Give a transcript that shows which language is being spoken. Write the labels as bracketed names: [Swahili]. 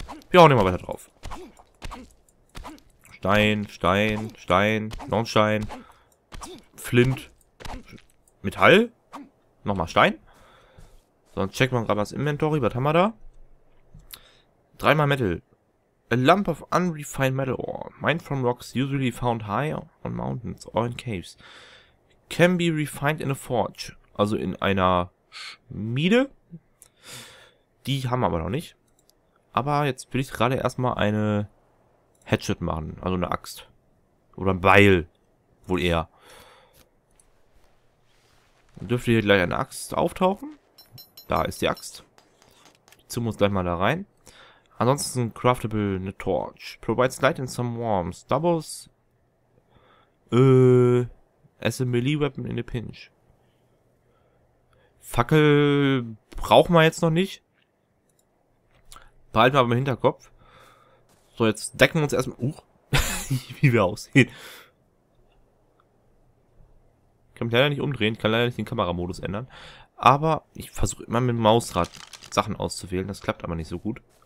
[German] Wir hauen immer weiter drauf. Stein, Stein, Stein, Nornstein, Flint, Metall, nochmal Stein. Sonst checken wir gerade mal das Inventory, was haben wir da? Dreimal Metal. [English] A lump of unrefined metal ore, mined from rocks usually found high on mountains or in caves, can be refined in a forge, [German] also in einer Schmiede. Die haben wir aber noch nicht. Aber jetzt will ich gerade erstmal eine Hatchet machen, also eine Axt. Oder ein Beil, wohl eher. Dann dürfte hier gleich eine Axt auftauchen. Da ist die Axt. Die ziehen wir uns gleich mal da rein. Ansonsten craftable eine Torch. [English] Provides light and some warmth. Doubles. As a melee weapon in a pinch. [German] Fackel brauchen wir jetzt noch nicht. Behalten wir aber im Hinterkopf. So, jetzt decken wir uns erstmal. wie wir aussehen. Ich kann mich leider nicht umdrehen. Ich kann leider nicht den Kameramodus ändern. Aber ich versuche immer mit dem Mausrad Sachen auszuwählen. Das klappt aber nicht so gut.